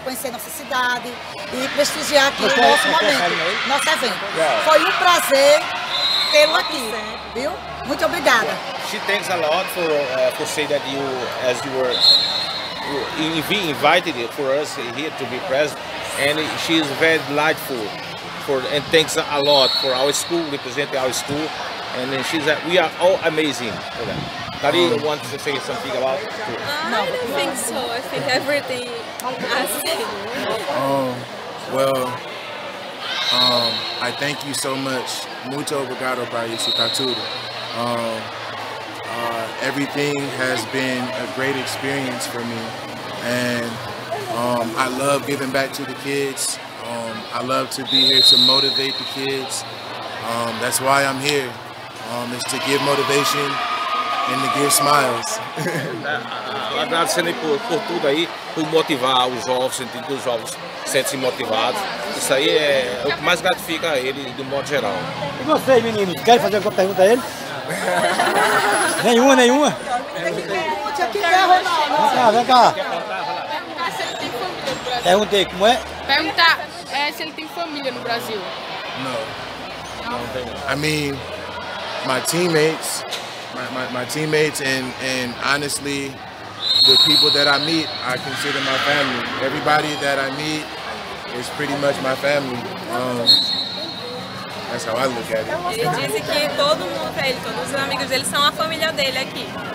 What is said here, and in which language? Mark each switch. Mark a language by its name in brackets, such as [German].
[Portuguese] conhecer nossa cidade e prestigiar aqui o nosso momento, nosso evento. Foi um prazer tê-lo aqui, viu? Muito obrigada. [English] She thanks a lot for saying that you, as you were invited for us here to be present, and she is very delightful. And thanks a lot for our school, representing our school, and then she's like, we are all amazing for that. Thalia wants to say something about it. I don't think so. I think everything is I thank you so much. [Portuguese] Muito obrigado por isso, [English] Tatudo. Everything has been a great experience for me, And I love giving back to the kids. I love to be here to motivate the kids. That's why I'm here, is to give motivation and to give smiles. [Portuguese] Agradecendo aí por tudo aí, por motivar os jovens, sentir que os jovens sentem-se motivados. Isso aí é o que mais gratifica a ele, de modo geral. E vocês, meninos, querem fazer alguma pergunta a ele? Nenhuma, nenhuma? Tem que perguntar aqui, né, Ronaldo? Vem cá, vem cá. Perguntar se ele tem família no Brasil. Perguntei, como é? Perguntar se ele tem família no Brasil. Não. [English] I mean, my teammates and honestly, the people that I meet, I consider my family. Everybody that I meet is pretty much my family. That's how I look at it. [Portuguese] Ele disse que todo mundo é ele, todos os amigos dele são a família dele aqui.